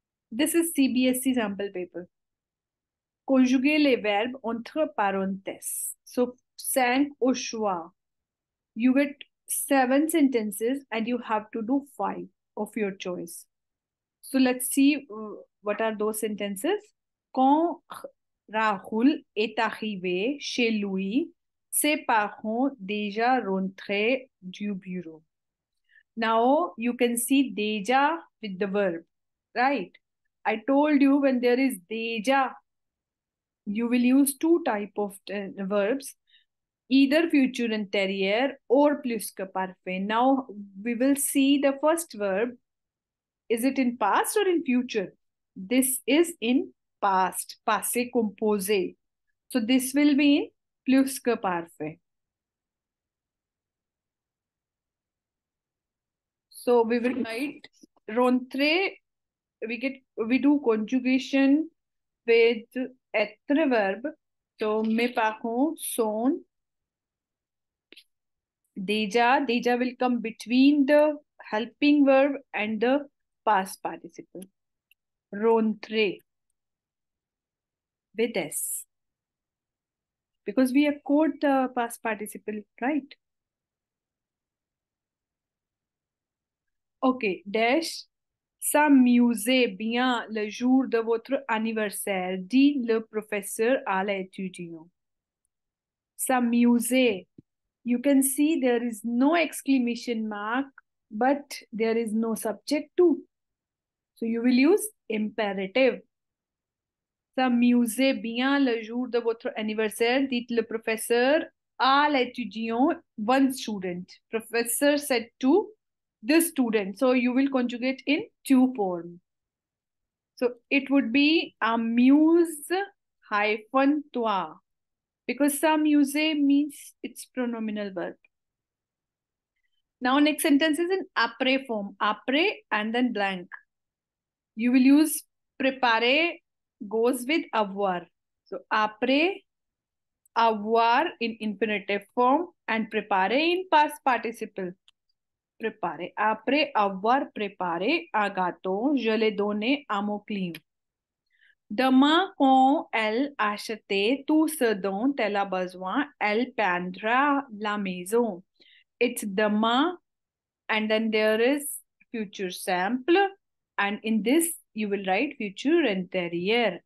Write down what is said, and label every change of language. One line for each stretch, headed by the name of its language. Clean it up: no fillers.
English: This is CBSE sample paper.
French: Conjuguer les verbes entre parenthèses.
English: So,
French: cinq au choix.
English: You get seven sentences and you have to do five of your choice. So, let's see what are those sentences.
French: Quand Rahul est arrivé chez lui, ses parents déjà rentrés du bureau.
English: Now, you can see déjà with the verb, right? I told you when there is déjà, you will use two type of verbs, either future anterior or plusque-parfait. Now, we will see the first verb. Is it in past or in future? This is in past, passé composé. So, this will be in plusque-parfait. So we will write rentrer. We do conjugation with être verb.
French: So mes parents sont déjà.
English: Déjà will come between the helping verb and the past participle. Rentrer with s because we have caught the past participle, right?
French: Okay, dash, s'amuser bien le jour de votre anniversaire, dit le professeur à l'étudiant. S'amuser.
English: You can see there is no exclamation mark, but there is no subject too. So you will use imperative.
French: S'amuser bien le jour de votre anniversaire, dit le professeur à l'étudiant,
English: one student. Professor said to the student. So you will conjugate in two form. So it would be amuse hyphen toi because s'amuser means it's pronominal verb. Now next sentence is in après form. Après and then blank. You will use préparer goes with avoir. So après, avoir in infinitive form and préparer in past participle. Prepare.
French: Après avoir préparé un gâteau, je l'ai donné à mon client. Demain, quand elle achète tout ce dont elle a besoin, elle peindra la maison.
English: It's demain, and then there is future simple, and in this you will write future intérieur.